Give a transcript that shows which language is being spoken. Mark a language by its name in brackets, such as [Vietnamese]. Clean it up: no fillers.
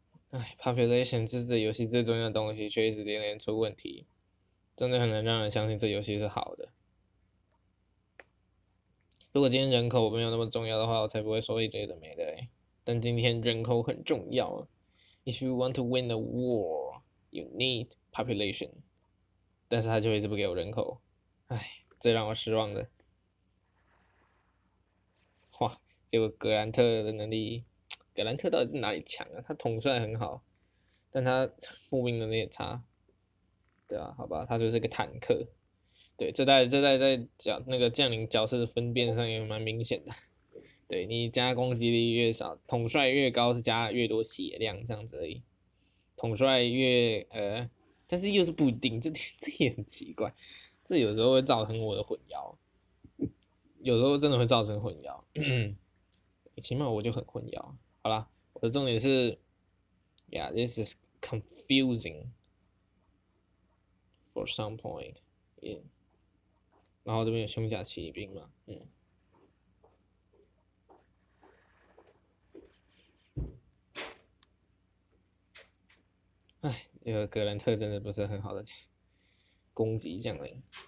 [Chinese] 哎，population 是这游戏最重要的东西，却一直连连出问题，真的很难让人相信这游戏是好的。如果今天人口没有那么重要的话，我才不会说一堆的没的欸。但今天人口很重要。 [English] If you want to win the war, you need population。 [Chinese] 但是他就一直不给我人口，哎。最让我失望的，哇！结果格兰特的能力，格兰特到底是哪里强啊？他统帅很好，但他步兵能力也差，对啊，好吧，他就是个坦克。对，这代在角那个将领角色的分辨上也蛮明显的。对你加攻击力越少，统帅越高是加越多血量这样子而已。统帅越但是又是不一定，这也很奇怪。这有时候会造成我的混淆，有时候真的会造成混淆，起码我就很混淆。好啦，我的重点是， [English] Yeah, this is confusing for some point. Yeah. [Chinese] 然后这边有胸甲骑兵嘛，哎，这个格兰特真的不是很好的攻击将领。